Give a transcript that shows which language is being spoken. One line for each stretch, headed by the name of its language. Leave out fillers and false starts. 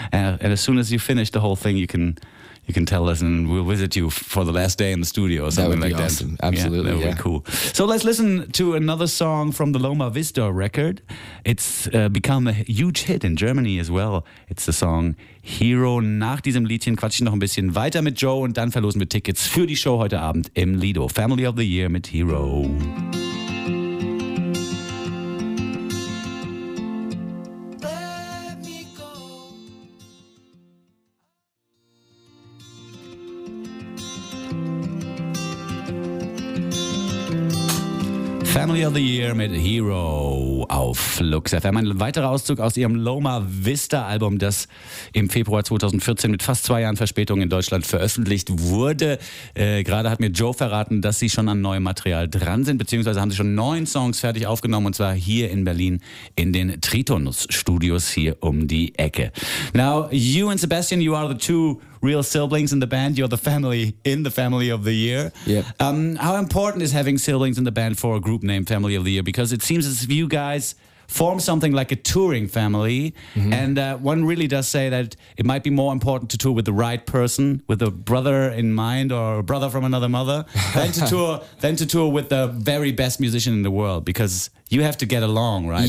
English: And as soon as you finish the whole thing, you can tell us and we'll visit you for the last day in the studio or something like that. That would be awesome. Absolutely, yeah. That would be cool. So let's listen to another song from the Loma Vista record. It's become a huge hit in Germany as well. It's the song Hero.
German: Nach diesem Liedchen quatsche ich noch ein bisschen weiter mit Joe und dann verlosen wir Tickets für die Show heute Abend im Lido. Family of the Year mit Hero. Family of the Year mit Hero auf Lux FM. Ein weiterer Auszug aus ihrem Loma Vista Album, das im Februar 2014 mit fast 2 Jahren Verspätung in Deutschland veröffentlicht wurde. Gerade hat mir Joe verraten, dass sie schon an neuem Material dran sind, beziehungsweise haben sie schon 9 Songs fertig aufgenommen, und zwar hier in Berlin in den Tritonus Studios hier um die Ecke.
English: Now, you and Sebastian, you are the two real siblings in the band. You're the family in the Family of the Year. Yep. How important is having siblings in the band for a group named Family of the Year? Because it seems as if you guys form something like a touring family. Mm-hmm. And one really does say that it might be more important to tour with the right person, with a brother in mind or a brother from another mother, than to tour with the very best musician in the world, because you have to get along, right?